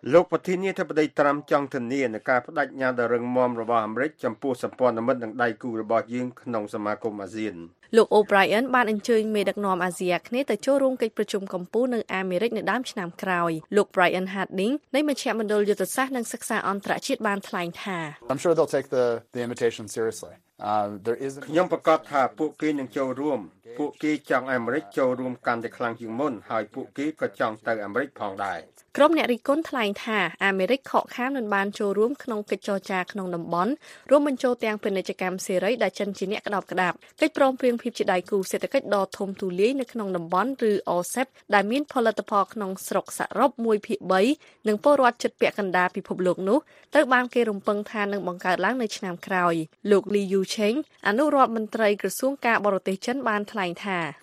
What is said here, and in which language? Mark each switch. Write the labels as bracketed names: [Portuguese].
[Khmer] លោកប្រធានាធិបតីត្រាំចង់ធានានៃការបដិញ្ញាដ៏រឹងមាំរបស់អាមេរិកចំពោះសម្ព័ន្ធមិត្តនិងដៃគូរបស់យើងក្នុងសមាគមអាស៊ាន ។លោក O'Brien បានអញ្ជើញមេដឹកនាំអាស៊ីអាគ្នេយ៍ទៅចូលរួមកិច្ចប្រជុំកំពូលនៅអាមេរិកនៅដើមឆ្នាំក្រោយ។លោក Brian Harding នៃមជ្ឈមណ្ឌលយុទ្ធសាស្ត្រនិងសិក្សាអន្តរជាតិបានថ្លែងថា [English] I'm sure they'll take the invitation seriously. There is [Khmer] ខ្ញុំប្រកាសថាពួកគេនឹងចូលរួមពួកគេចង់អាមេរិកចូលរួមកាន់តែខ្លាំងជាងមុនហើយពួកគេក៏ចង់ទៅអាមេរិកផងដែរ ក្រុមអ្នករិះគន់ថ្លែងថាអាមេរិកខកខានមិនបានចូលរួមក្នុងកិច្ចចរចាក្នុងតំបន់រួមបញ្ចូលទាំងពាណិជ្ជកម្មសេរីដែលចិនជាអ្នកក្តោបក្តាប់កិច្ចព្រមព្រៀងភាពជាដៃគូសេដ្ឋកិច្ចដ៏ធំទូលាយនៅក្នុងតំបន់ឬ OSEP ដែលមានផលិតផលក្នុងស្រុកសរុប 1/3 និងពលរដ្ឋជិតពាក់កណ្ដាលពិភពលោកនោះត្រូវបានគេរំពឹងថានឹងបង្កើតឡើងនៅឆ្នាំក្រោយលោក Li Yucheng អនុរដ្ឋមន្ត្រីក្រសួងការបរទេសចិនបានថ្លែងថា